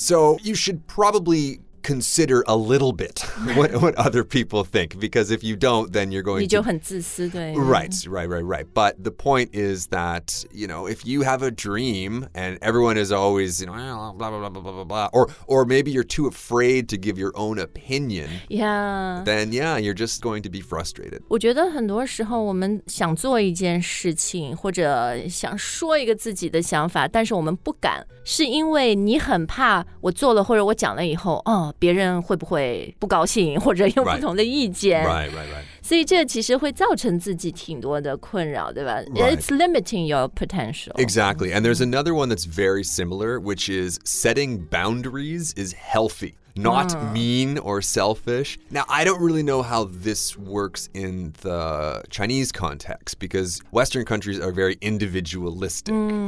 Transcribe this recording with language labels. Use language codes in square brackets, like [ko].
[en] So you should probably consider a little bit what other people think, because if you don't, then you're going [zh] 你就很自私，对。 [en] Right, right, right, right. But the point is that, you know, if you have a dream and everyone is always, you know, blah, blah, blah, blah, blah, blah, blah, or maybe you're too afraid to give your own opinion, then, yeah, you're just going to be frustrated. [zh] 我觉得很多时候我们想做一件事情或者想说一个自己的想法，但是我们不敢，是因为你很怕我做了或者我讲了以后，哦，别人会不会不高兴或者有不同的意见。 [en] Right, right, right. [zh] 所以这其实会造成自己挺多的困扰，对吧？ [en] Right. It's limiting your potential. Exactly. And there's another one that's very similar, which is setting boundaries is healthy. not mean or selfish. Now, I don't really know how this works in the Chinese context, because Western countries are very individualistic.